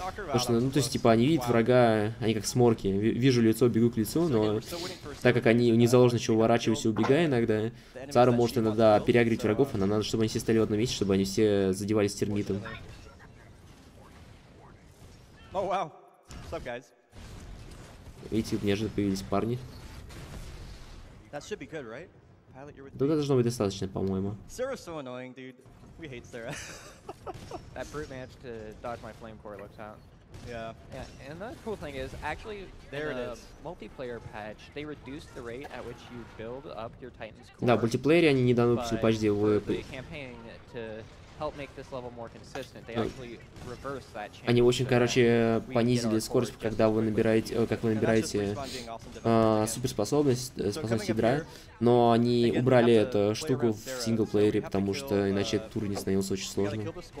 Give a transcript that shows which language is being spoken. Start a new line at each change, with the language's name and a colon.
Russian: Потому что, ну, то есть, типа, они видят врага, они как сморки. Вижу лицо, бегу к лицу, но так как они не заложены, что уворачиваются и убегают иногда, Сара может иногда переагрить врагов, а нам надо, чтобы они все стали в одном месте, чтобы они все задевались термитом.
English: Oh, wow. What's up, guys?
Russian: Видите, тут неожиданно появились парни.
English: That should be good, right? Pilot, you're with
Russian: me. Тут должно быть достаточно, по-моему.
English: Sarah's so annoying, dude. We hate Sarah. That brute managed to dodge my flame core, looks out. Yeah. Yeah, and the cool thing is, actually, there in the multiplayer patch, they reduced the rate at which you build up your Titan's core.
Russian: Да, в мультиплеере они недавно выпустили патч, где вы...
English: Help make this level more consistent. They actually reverse that change.
Russian: Они очень, короче, понизили скорость, когда вы набираете, как вы набираете суперспособность, способность ядра, но они убрали эту штуку в синглплеере, потому что иначе тур не становился очень сложным.